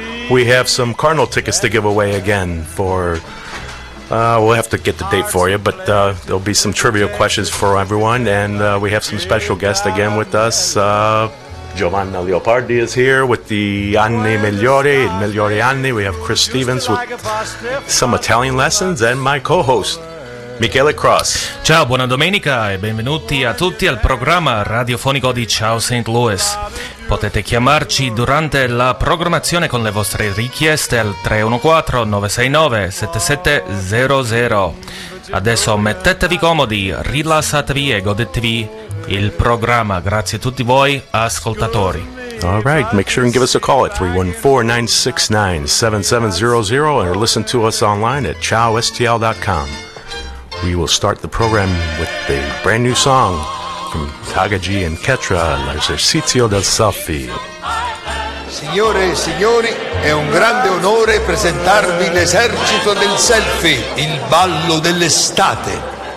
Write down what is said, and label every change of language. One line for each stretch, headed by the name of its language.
English: We have some Cardinal tickets to give away again for... we'll have to get the date for you, but there'll be some trivial questions for everyone, and we have some special guests again with us. Giovanna Leopardi is here with the Anni Migliori, Migliori Anni. We have Chris Stevens with some Italian lessons, and my co-host, Michele Cross.
Italian: Ciao, buona domenica, e benvenuti a tutti al programma radiofonico di Ciao St. Louis. Potete chiamarci durante la programmazione con le vostre richieste al 314-969-7700. Adesso mettetevi comodi, rilassatevi e godetevi il programma. Grazie a tutti voi, ascoltatori.
English: All right, make sure and give us a call at 314-969-7700 or listen to us online at ciaostl.com. We will start the program with a brand new song from Tagaji and Ketra, L'esercizio del Selfie.
Italian: Signore e signori, è un grande onore presentarvi l'esercito del selfie, il ballo dell'estate.